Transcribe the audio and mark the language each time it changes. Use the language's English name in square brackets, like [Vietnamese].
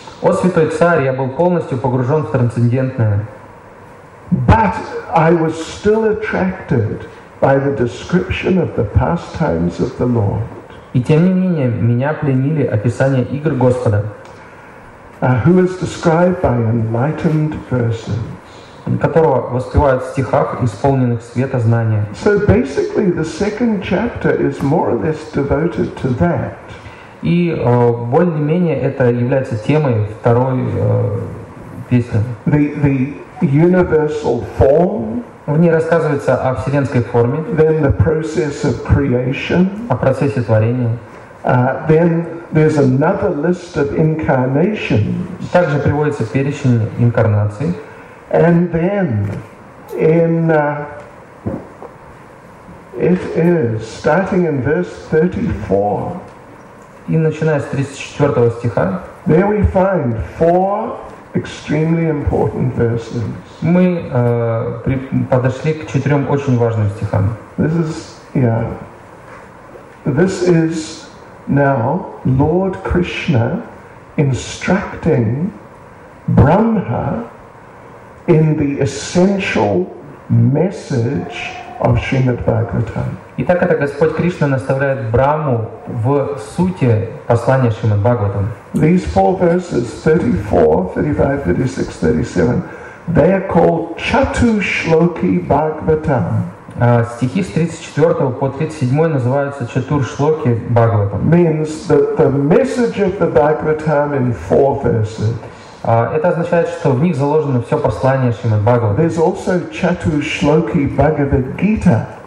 [Russian] О святой царь, я был полностью погружен в трансцендентное. [English] But I was still attracted by the description of the pastimes of the Lord. [Russian] И тем не менее меня пленили описания игр Господа. [English] Who is described by enlightened persons? [Russian] Которого воспевают в стихах, исполненных света знания. [English] So basically, the second chapter is more or less devoted to that. [Russian] И более-менее это является темой второй песни. [English] The universal form. [Russian] В ней рассказывается о вселенской форме, [English] then the process of creation, [Russian] о процессе творения. [English] Then there's another list of incarnations. [Russian] Также приводится перечень инкарнаций. [English] And then in it is starting in verse 34. [Russian] И начиная с 34 стиха. [English] There we find four extremely important verses. [Russian] Мы подошли к четырем очень важным стихам. [English] This is, yeah. This is now Lord Krishna instructing Brahma in the essential message of Srimad Bhagavatam. [Russian] Итак, это Господь Кришна наставляет Брахму в сути послания Шримад Бхагаватам. [English] These four verses, 34, 35, 36, 37, they are called Chatushloki Bhagavatam. [Russian] Стихи с 34 по 37 называются Чатуршлоки Бхагаватам. [English] Means the message of the Bhagavatam in four verses. [Russian] Это означает, что в них заложено все послание Шримад Бхагаватам. [English] There's also Chatushloki Bhagavad Gita.